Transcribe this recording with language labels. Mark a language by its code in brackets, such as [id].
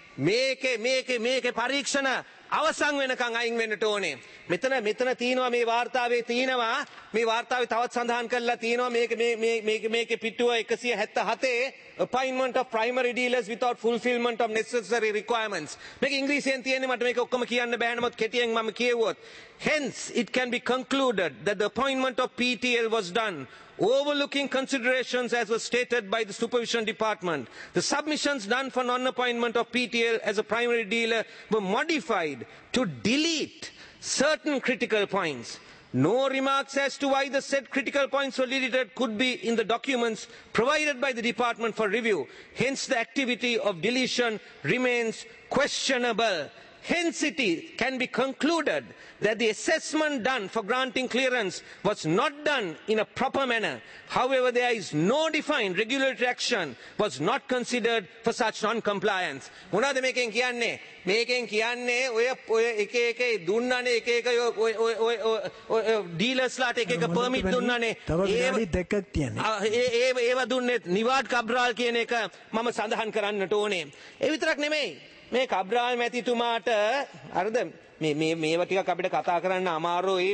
[si] මේකේ පරීක්ෂණ අවසන් වෙනකන් අයින් වෙන්නට ඕනේ. මෙතන තියෙනවා මේ වාර්තාවේ තවත් සඳහන් කරලා තියෙනවා මේකේ පිටුව 177 [en] appointment of primary dealers without fulfillment of necessary requirements. [si] මේක ඉංග්‍රීසියෙන් තියෙන්නේ, මට මේක ඔක්කොම කියන්න බෑ. නමුත් කෙටියෙන් මම කියවුවොත් [en] hence it can be concluded that the appointment of PTL was done overlooking considerations as was stated by the supervision department. The submissions done for non-appointment of PTL as a primary dealer were modified to delete certain critical points. No remarks as to why the said critical points were deleted could be in the documents provided by the department for review. Hence the activity of deletion remains questionable. Hence it can be concluded that the assessment done for granting clearance was not done in a proper manner. However, there is no defined regulatory action was not considered for such non-compliance. [si] මොනවද මේකෙන් කියන්නේ? මේකෙන් කියන්නේ ඔය එක එක දුන්නානේ, එක එක ඔය ඔය ඔය ඔය ඩීලර්ස්ලාට එක එක පර්මිට් දුන්නානේ. තව විනාඩි දෙකක් තියෙනවා. ඒව දුන්නේත් නිවාඩ් කබ්‍රාල් කියන එක මම සඳහන් කරන්නට ඕනේ. ඒ විතරක් නෙමෙයි, මේ කබ්‍රාල් මැතිතුමාට අරද මේ මේ මේවා ටිකක් අපිට කතා කරන්න අමාරුයි.